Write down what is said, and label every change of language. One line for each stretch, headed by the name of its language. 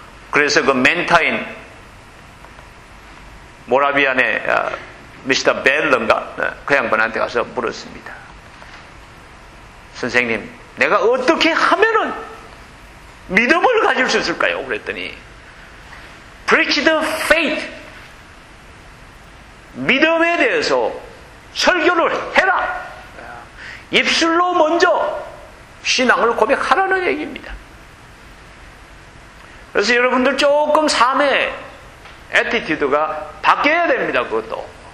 Korean: 그래서 그 멘타인 모라비안의 미스터 벨런가 그 양반한테 가서 물었습니다. 선생님 내가 어떻게 하면은 믿음을 가질 수 있을까요? 그랬더니
English: Preach the faith.
Korean: 믿음에 대해서 설교를 해라. 입술로 먼저 신앙을 고백하라는 얘기입니다. 그래서 여러분들 조금 삶의 애티튜드가 바뀌어야 됩니다. 그것도.